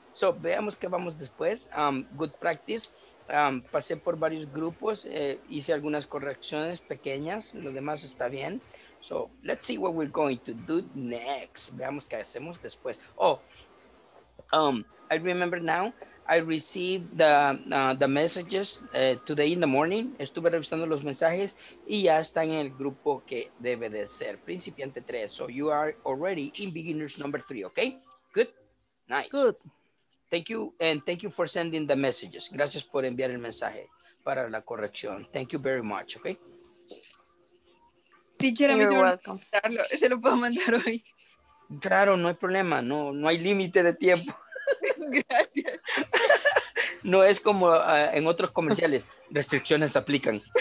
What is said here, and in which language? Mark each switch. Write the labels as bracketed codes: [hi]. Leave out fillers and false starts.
[es] So, veamos qué vamos después. [en] Good practice. [es] Pasé por varios grupos. Hice algunas correcciones pequeñas. Lo demás está bien. [en] So, let's see what we're going to do next. [es] Veamos qué hacemos después. [en] Oh, I remember now, I received the messages today in the morning. [es] Estuve revisando los mensajes y ya están en el grupo que debe de ser, principiante 3. [en] So, you are already in beginners number 3, okay? Good? Nice. Good. Thank you, and thank you for sending the messages. [es] Gracias por enviar el mensaje para la corrección. [en] Thank you very much, okay? [es] Teacher, a mí se lo puedo mandar hoy. Claro, no hay problema, no hay límite de tiempo. Gracias. No es como en otros comerciales, restricciones aplican.